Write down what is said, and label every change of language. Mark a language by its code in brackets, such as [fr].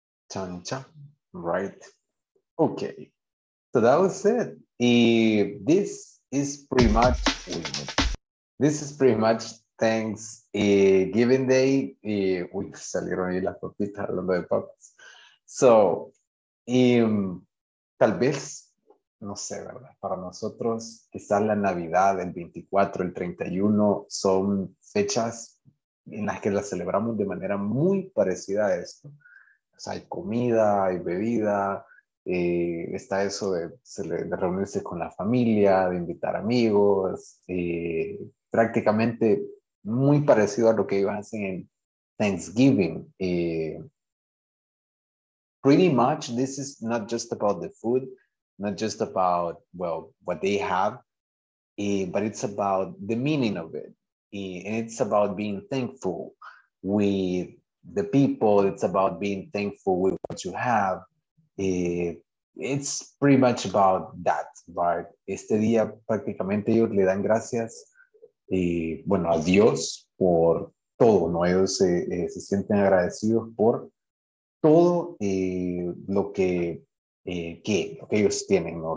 [en] Chancha, right. Okay, so that was it. This is pretty much, this is pretty much Thanksgiving Day. [es] Uy, salieron ahí las papitas hablando de papas. So, tal vez, no sé, ¿verdad? Para nosotros, quizás la Navidad, el 24, el 31, son fechas en las que las celebramos de manera muy parecida a esto. O sea, hay comida, hay bebida, está eso de reunirse con la familia, de invitar amigos, prácticamente muy parecido a lo que ellos hacen en Thanksgiving. [en] Pretty much, this is not just about the food, not just about, well, what they have, but it's about the meaning of it. And it's about being thankful with the people. It's about being thankful with what you have. It's pretty much about that, right? [es] Este día, prácticamente, ellos le dan gracias, bueno, a Dios por todo, ¿no? Ellos se sienten agradecidos por todo lo que ellos tienen, ¿no?